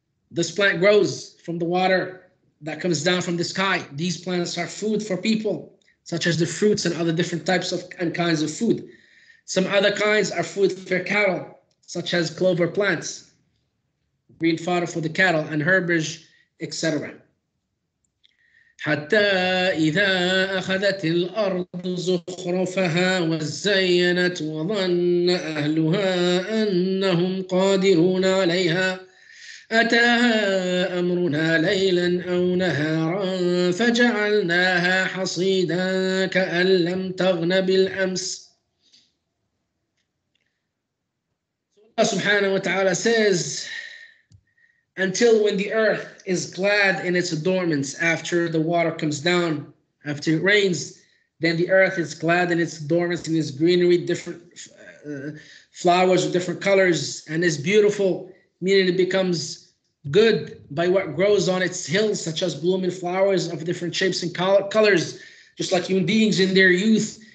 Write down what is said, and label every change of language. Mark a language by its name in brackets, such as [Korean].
[English] This plant grows from the water that comes down from the sky. These plants are food for people, such as the fruits and other different types of and kinds of food. Some other kinds are food for cattle, such as clover plants, green fodder for the cattle and herbage, etc. [Arabic] حتى إذا أخذت الأرض زخرفها وزينت وظن أهلها أنهم قادرون عليها أتاها أمرنا ليلا أو نهارا فجعلناها حصيدا كأن لم تغن بالأمس. الله سبحانه وتعالى [English] says, until when the earth is glad in its dormance after the water comes down, after it rains, then the earth is glad in its dormance, in its greenery, different flowers of different colors, and is beautiful, meaning it becomes good by what grows on its hills, such as blooming flowers of different shapes and colors, just like human beings in their youth.